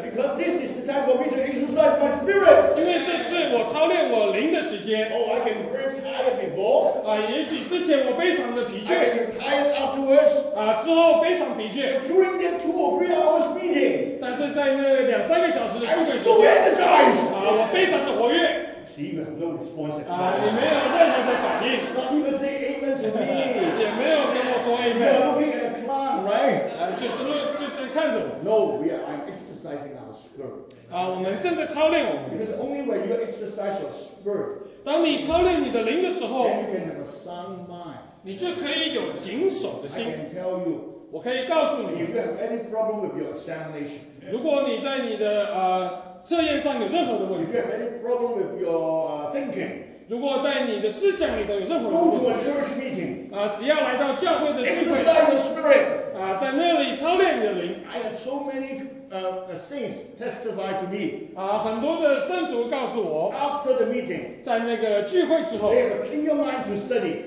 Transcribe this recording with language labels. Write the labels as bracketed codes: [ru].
[en] Because this is the time for me to exercise my spirit. [zh] 因为这是我操练我灵的时间 [en] Oh, I can be very tired before. [zh] 也许之前我非常的疲倦 [en] I can be tired afterwards. [zh] 之后非常疲倦 [en] During the 2 or 3 hours meeting. [zh] 但是在那两三个小时的聚会 [en] I'm so energized. [zh] 我非常的活跃是一个很多 [en] responsive [zh] 也没有任何的反应 [en] Not even say amen to me. [zh] 也没有跟我说 amen. [en] You're looking at the clown, right? [zh] 就是看着我 [en] No, we are exercising our spirit. [zh] 我们正在操练我们 [en] Because only when you exercise your spirit [zh] 当你操练你的灵的时候 [en] Then you can have a sound mind. [zh] 你就可以有谨守的心 [en] I can tell you [zh] 我可以告诉你 [en] If you have any problem with your examination [zh] 如果你在你的 测验上有任何的问题 [en] If you have any problem with your thinking [zh] 如果在你的思想里头有任何的问题 [en] Go to a church meeting [zh] 只要来到教会的聚会 [en] Exercise your spirit [zh] 在那里操练你的灵 [en] I have so many saints testify to me [zh] 很多的圣徒告诉我 [en] After the meeting [zh] 在那个聚会之后 [en] They have a clear mind to study